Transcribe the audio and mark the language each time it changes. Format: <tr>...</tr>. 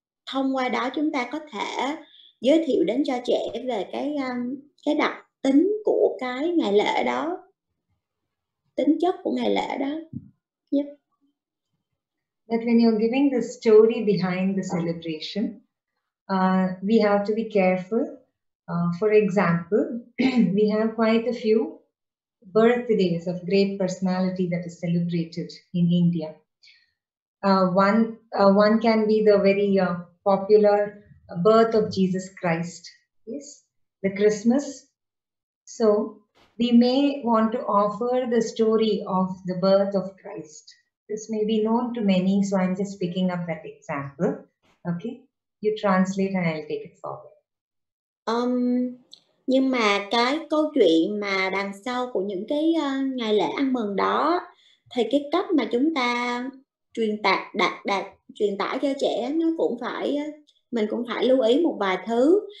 <vi>Thông qua đó chúng ta có thể giới thiệu đến cho trẻ về cái đặc tính của cái ngày lễ đó, tính chất của ngày lễ đó.</vi> <en>Yep. But when you're giving the story behind the celebration, we have to be careful. For example, we have quite a few birthdays of great personality that is celebrated in India. One can be the very popular birth of Jesus Christ. Yes, the Christmas. So we may want to offer the story of the birth of Christ. This may be known to many, so I'm just picking up that example. Okay, you translate and I'll take it forward.</en> <vi>Nhưng mà cái câu chuyện mà đằng sau của những cái ngày lễ ăn mừng đó thì cái cách mà chúng ta truyền tải cho trẻ nó cũng phải, mình cũng phải lưu ý một vài thứ.</vi>